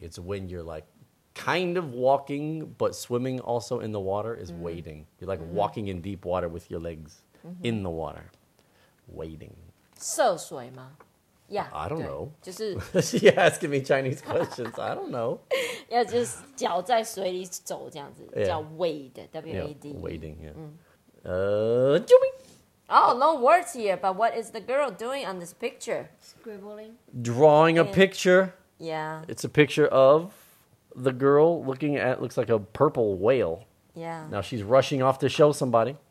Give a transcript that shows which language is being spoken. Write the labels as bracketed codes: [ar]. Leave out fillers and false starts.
[en] It's when you're like kind of walking, but swimming also in the water is wading. You're like walking in deep water with your legs in the water. Wading. [zh] 涉水吗? [en] Yeah. I don't know. [zh] 就是... [en] She's asking me Chinese questions. I don't know. Yeah, just [zh] 脚在水里走这样子, yeah. 叫wade, W-A-D. [en] Yeah, wading, yeah. Oh, no words here, but what is the girl doing on this picture? Scribbling. Drawing a picture. Yeah. It's a picture of the girl looking at, looks like a purple whale. Yeah. Now she's rushing off to show somebody.